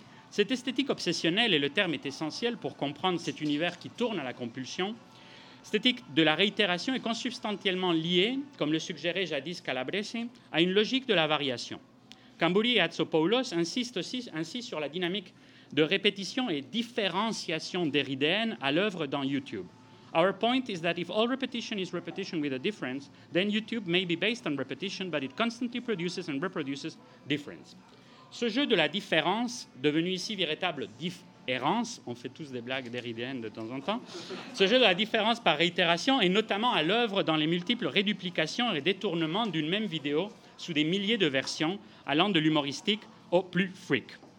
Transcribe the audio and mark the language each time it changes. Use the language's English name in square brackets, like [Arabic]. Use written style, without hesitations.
[French] Cette esthétique obsessionnelle, et le terme est essentiel pour comprendre cet univers qui tourne à la compulsion, l'esthétique de la réitération est consubstantiellement liée, comme le suggérait jadis Calabresi, à une logique de la variation. Cambouli et Hatzopoulos insistent aussi ainsi sur la dynamique de répétition et différenciation d'Eridéenne à l'œuvre dans YouTube. [English] Our point is that if all repetition is repetition with a difference, then YouTube may be based on repetition, but it constantly produces and reproduces difference. [French] Ce jeu de la différence, devenu ici véritable différence, on fait tous des blagues d'Eridéenne de temps en temps, ce jeu de la différence par réitération est notamment à l'œuvre dans les multiples réduplications et détournements d'une même vidéo sous des milliers de versions, allant de l'humoristique au plus freak.